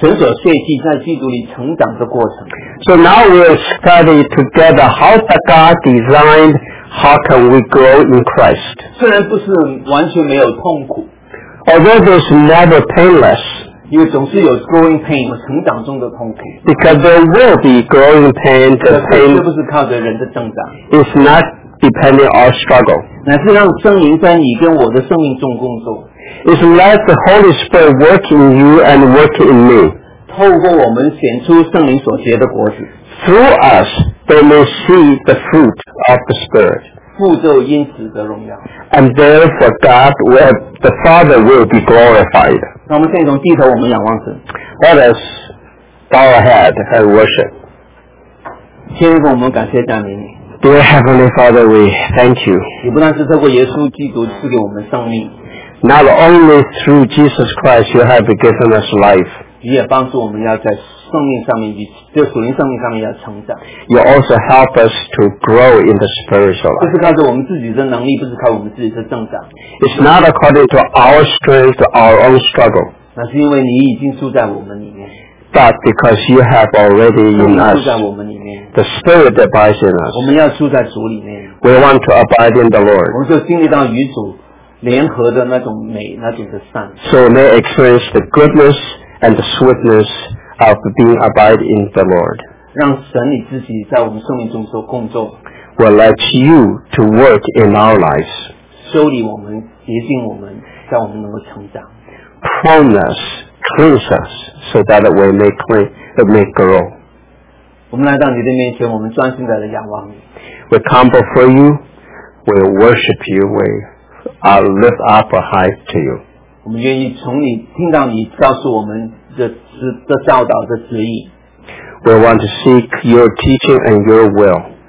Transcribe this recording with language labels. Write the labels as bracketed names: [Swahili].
[Chinese] 现在我们要一起来学习神所设计在基督里成长的过程。 [English] So now we'll study together how that God designed how can we grow in Christ. [Chinese] 虽然不是完全没有痛苦, [English] although there's never painless, [Chinese] 因为总是有 [English] growing pain, [Chinese] 成长中的痛苦, [English] because there will be growing pain, the pain [Chinese] 是不是靠着人的增长, [English] is not depending on struggle, [Chinese] 乃是让圣灵在你跟我的生命中工作, [English] is let the Holy Spirit work in you and work in me, [Chinese] 透过我们显出圣灵所结的果子, [English] through us they may see the fruit of the Spirit, [Chinese] 父就因此得荣耀, [English] and therefore God will, the Father will be glorified. [Chinese] 那我们现在从低头我们仰望神。 [English] Let us bow our head and worship. [Chinese] 天父，我们感谢赞美你。 [English] Dear Heavenly Father, we thank you. [Chinese] 也不但是透过耶稣基督赐给我们生命, [English] not only through Jesus Christ you have given us life, [Chinese] 你也帮助我们要在生命上面，就属灵生命上面要成长。 [English] You also help us to grow in the spiritual life. [Chinese] 不是靠着我们自己的能力，不是靠我们自己的增长。 [English] It's not according to our strength, our own struggle. [Chinese] 那是因为你已经住在我们里面。 [English] But because you have already in us, the Spirit abides in us. [Chinese] 我们要住在主里面。 [English] We want to abide in the Lord. [Chinese] 我们就经历到与主联合的那种美，那种的善。 [English] So may experience the goodness and the sweetness of being abide in the Lord. [Chinese] 让神你自己在我们生命中做工作。 [English] We'll let you to work in our lives. [Chinese] 修理我们，洁净我们，让我们能够成长。 [English] Prune us, cleanse us, so that we may clean, may grow. [Chinese] 我们来到你的面前，我们专心地来仰望你。 [English] We come before you, we worship you, we lift up a high to you. [Chinese] 我们愿意从你听到你告诉我们的教导的旨意。 [English] We want to seek your teaching and your will.